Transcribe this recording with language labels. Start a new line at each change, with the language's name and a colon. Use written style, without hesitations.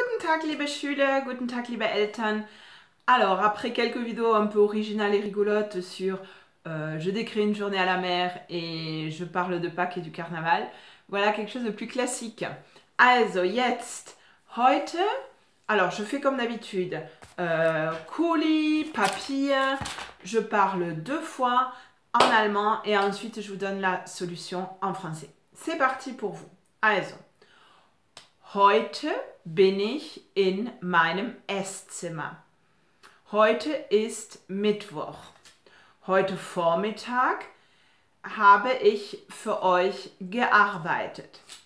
German: Tag, liebe Schüler, guten Tag, liebe Eltern.
French: Alors, après quelques vidéos un peu originales et rigolotes sur je décris une journée à la mer et je parle de Pâques et du carnaval, voilà quelque chose de plus classique.
German: Also, jetzt, heute,
French: alors je fais comme d'habitude, Kuli, Papier, je parle deux fois en allemand et ensuite je vous donne la solution en français. C'est parti pour vous. Also.
German: Heute bin ich in meinem Esszimmer. Heute ist Mittwoch. Heute Vormittag habe ich für euch gearbeitet.